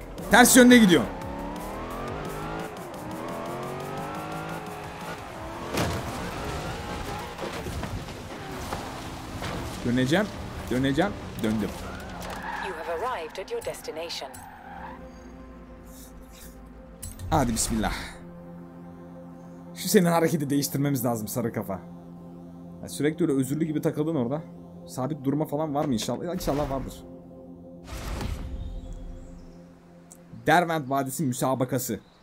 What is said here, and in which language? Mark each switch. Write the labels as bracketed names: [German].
[Turkish] Ters yönde gidiyor. Döneceğim, döneceğim, döndüm. [English] You have arrived at your destination. [Turkish] Hadi bismillah. Şu senin hareketi değiştirmemiz lazım sarı kafa. Ya sürekli öyle özürlü gibi takıldın orada. Sabit durma falan var mı inşallah? Ya inşallah vardır. Derwent Vadisi müsabakası.